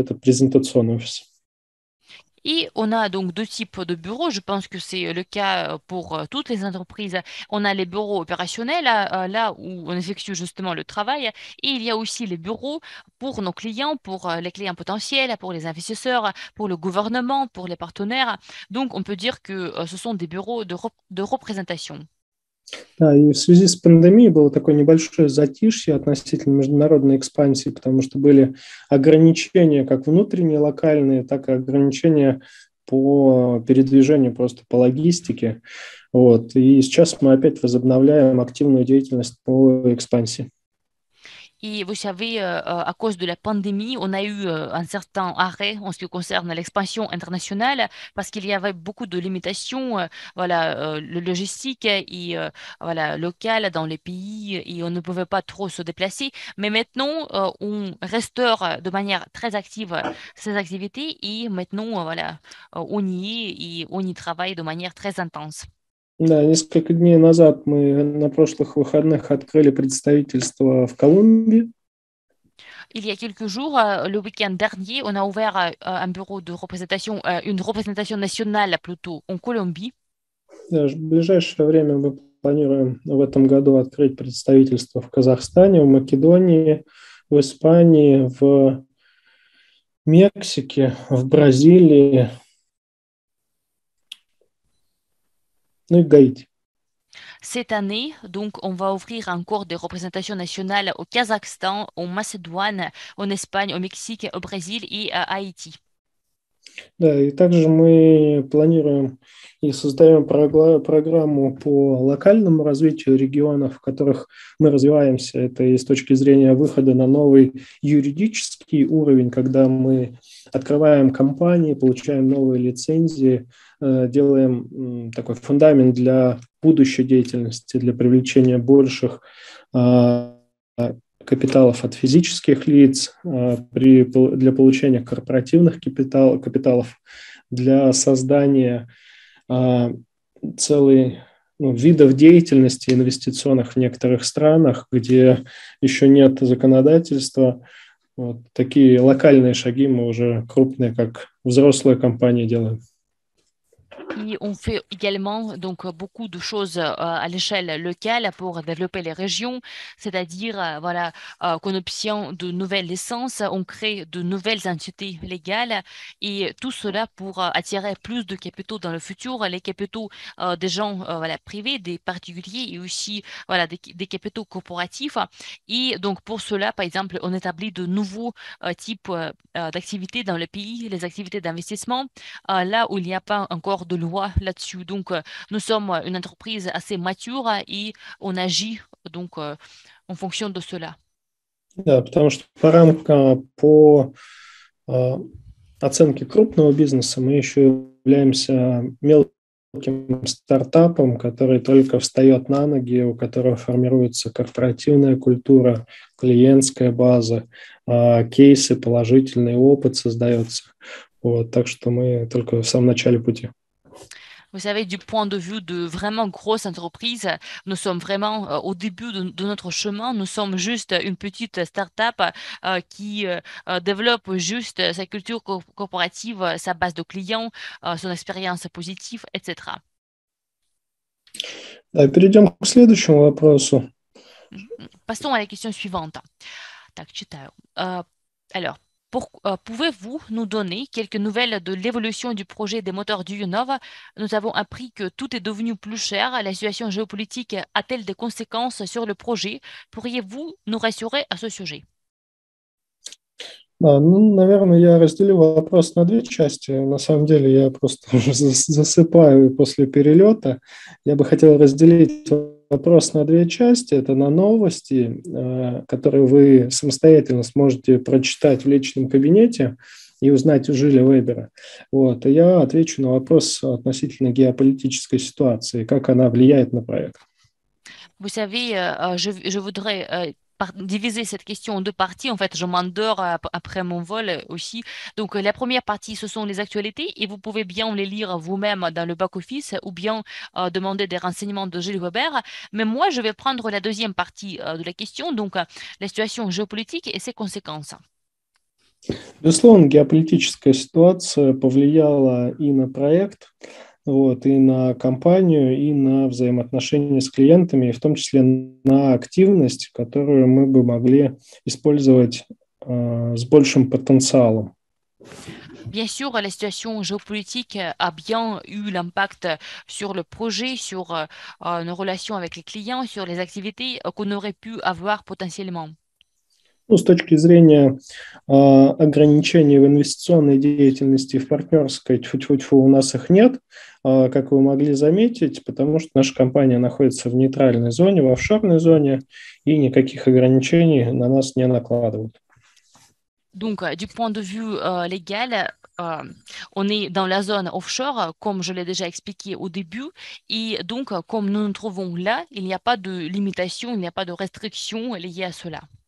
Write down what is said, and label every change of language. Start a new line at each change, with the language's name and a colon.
Russian: Это презентационный офис.
French: Et on a donc 2 types de bureaux. Je pense que c'est le cas pour toutes les entreprises. On a les bureaux opérationnels, là où on effectue justement le travail. Et il y a aussi les bureaux pour nos clients, pour les clients potentiels, pour les investisseurs, pour le gouvernement, pour les partenaires. Donc, on peut dire que ce sont des bureaux de représentation.
Russian: Да, и в связи с пандемией было такое небольшое затишье относительно международной экспансии, потому что были ограничения как внутренние, локальные, так и ограничения по передвижению, просто по логистике. Вот. И сейчас мы опять возобновляем активную деятельность по экспансии.
French: Et vous savez, à cause de la pandémie, on a eu un certain arrêt en ce qui concerne l'expansion internationale parce qu'il y avait beaucoup de limitations, voilà, le logistique et voilà, local dans les pays et on ne pouvait pas trop se déplacer. Mais maintenant, on restaure de manière très active ces activités et maintenant, voilà, on y est et on y travaille de manière très intense.
Russian: Да, несколько дней назад мы на прошлых выходных открыли представительство в Колумбии.
French: Il y a quelques jours, le week-end dernier, on a ouvert un bureau de représentation, une représentation nationale plutôt, en Colombie.
Russian: В ближайшее время мы планируем в этом году открыть представительство в Казахстане, в Македонии, в Испании, в Мексике, в Бразилии, ну и Гаити.
French: Cette année, donc, on va ouvrir encore des représentations nationales au Kazakhstan, en Macédoine, en Espagne, au Mexique, au Brésil et à Haïti.
Russian: Да, и также мы планируем и создаем программу по локальному развитию регионов, в которых мы развиваемся. Это и с точки зрения выхода на новый юридический уровень, когда мы открываем компании, получаем новые лицензии, делаем такой фундамент для будущей деятельности, для привлечения больших капиталов от физических лиц, для получения корпоративных капиталов, для создания целой видов деятельности инвестиционных в некоторых странах, где еще нет законодательства. Вот такие локальные шаги мы уже крупные, как взрослые компании делаем.
French: Et on fait également donc, beaucoup de choses à l'échelle locale pour développer les régions, c'est-à-dire voilà, qu'on obtient de nouvelles licences, on crée de nouvelles entités légales et tout cela pour attirer plus de capitaux dans le futur, les capitaux des gens voilà, privés, des particuliers et aussi voilà, des capitaux corporatifs. Et donc pour cela, par exemple, on établit de nouveaux types d'activités dans le pays, les activités d'investissement, là où il n'y a pas encore de loi là-dessus. Donc, nous sommes une entreprise assez mature et on agit donc en fonction de cela.
Russian: Да, потому что по рамкам, по оценке крупного бизнеса мы еще являемся мелким стартапом, который только встает на ноги, у которого формируется корпоративная культура, клиентская база, кейсы, положительный опыт создается. Вот, так что мы только в самом начале пути.
French: Vous savez, du point de vue de vraiment grosse entreprise, nous sommes vraiment au début de notre chemin. Nous sommes juste une petite start-up qui développe juste sa culture corporative, sa base de clients, son expérience positive, etc.
Russian: Да, перейдем к следующему вопросу.
French: Passons à la question suivante.
Russian: Так, читаю.
French: Alors. Pouvez-vous nous donner quelques nouvelles de l'évolution du projet des moteurs du Yunov? Nous avons appris que tout est devenu plus cher. La situation géopolitique a-t-elle des conséquences sur le projet? Pourriez-vous nous rassurer à ce sujet?
Russian: Да, ну, наверное, я разделю вопрос на две части. На самом деле, я просто засыпаю после перелета. Я бы хотел разделить вопрос на две части. Это на новости, которые вы самостоятельно сможете прочитать в личном кабинете и узнать у Жиля Вебера. Вот. Я отвечу на вопрос относительно геополитической ситуации, как она влияет на проект. Вы знаете, я
French: voudrais... diviser cette question en deux parties. En fait, je m'endors après mon vol aussi. Donc, la première partie, ce sont les actualités et vous pouvez bien les lire vous-même dans le back-office ou bien demander des renseignements de Gilles Weber. Mais moi, je vais prendre la deuxième partie de la question, donc la situation géopolitique et ses conséquences.
Russian: Безусловно, геополитическая ситуация повлияла и на проект, вот, и на компанию, и на взаимоотношения с клиентами, и в том числе на активность, которую мы бы могли использовать с большим потенциалом.
French: Bien sûr, la situation géopolitique a bien eu l'impact sur le projet, sur nos relations avec les clients, sur les activités qu'on aurait pu avoir potentiellement.
Russian: Ну, с точки зрения ограничений в инвестиционной деятельности в партнерской, тьфу-тьфу-тьфу, у нас их нет, как вы могли заметить, потому что наша компания находится в нейтральной зоне, в офшорной зоне, и никаких ограничений на нас не накладывают.
French: Donc, du point de vue légal, on est dans la zone offshore, comme je l'ai déjà expliqué au début. Et donc, comme nous nous trouvons là, il n'y a pas de limitation, il n'y a pas de restriction liée à cela.